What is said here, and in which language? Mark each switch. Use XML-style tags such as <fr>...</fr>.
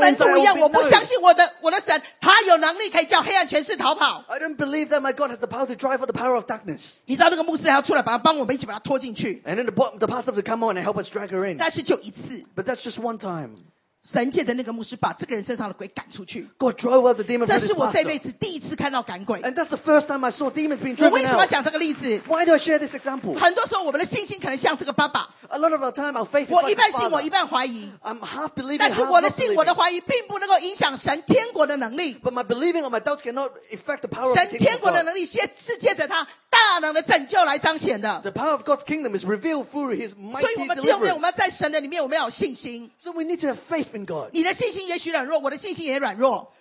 <zh>我跟门徒一样，我不相信我的神，他有能力可以叫黑暗权势逃跑。</zh> <en>I don't believe that my God has the power to drive out the power of darkness.</en> <zh>你知道那个牧师还要出来把他帮我们一起把他拖进去。</zh> <en>And then the pastor would come on and help us drag her in.</en> <zh>但是就一次。</zh> <en>But that's just one time.</en> <zh>神借着那个牧师把这个人身上的鬼赶出去。</zh> <en>God drove out the demon.</en> <zh>这是我这辈子第一次看到赶鬼。</zh> <en>And that's the first time I saw demons being driven out.</en> <zh>我为什么要讲这个例子</zh> <en>？Why do I share this example?</en> <zh>很多时候我们的信心可能像这个爸爸。</zh> <en>A lot of the time our faith is</en> <zh>我一半信，我一半怀疑。</zh> <en>I'm half believing.</en> <zh>但是我的信，我的怀疑，并不能够影响神天国的能力。</zh> <en>But my believing or my doubts cannot affect the power of God.</en> <zh>神天国的能力是借着他大能的拯救来彰显的。</zh> <en>The power of God's kingdom is revealed through His mighty deliverance.</en> <zh>所以我们弟兄们，我们要在神的里面，我们要有信心。</zh> <en>So we need to have faith. God.</en> <zh>你的信心也许软弱，我的信心也软弱。</zh>